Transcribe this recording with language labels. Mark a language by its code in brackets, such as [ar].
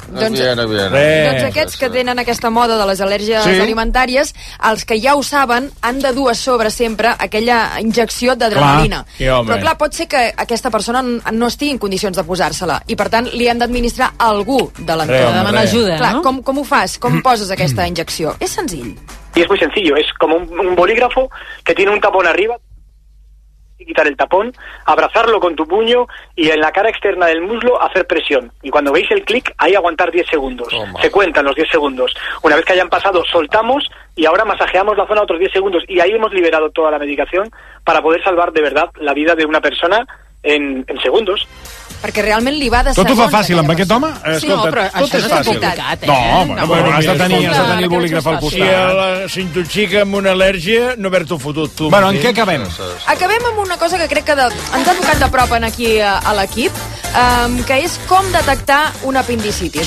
[ca] Doncs aquests que tenen aquesta moda de les al·lèrgies alimentàries, els que ja ho saben han de dur a sobre sempre aquella injecció d'adrenalina. Però clar, pot ser que aquesta persona no estigui en condicions de posar-se-la, i per tant li han d'administrar algú de l'entorn. Demanar ajuda, clar, no? Com ho fas? Com poses aquesta injecció? És senzill. [es] Sí, es muy sencillo, es como un bolígrafo que tiene un tapón arriba, quitar el tapón, abrazarlo con tu puño y en la cara externa del muslo hacer presión. Y cuando veis el clic, ahí aguantar 10 segundos. Toma. Se cuentan los 10 segundos. Una vez que hayan pasado, soltamos y ahora masajeamos la zona otros 10 segundos y ahí hemos liberado toda la medicación para poder salvar de verdad la vida de una persona en segundos. [ca] Perquè realment li va de tot segons. Tot ho fa fàcil amb aquest home? Escolta, sí, no, però tot això és fàcil. No és complicat, eh? No, home, no, però has de tenir, no, tenir bolígraf al costat. Si tu xica amb una al·lèrgia, no haver-t'ho fotut tu. Bueno, en què acabem? Acabem amb una cosa que crec que ens ha tocat de prop aquí a l'equip, que és com detectar un apendicitis.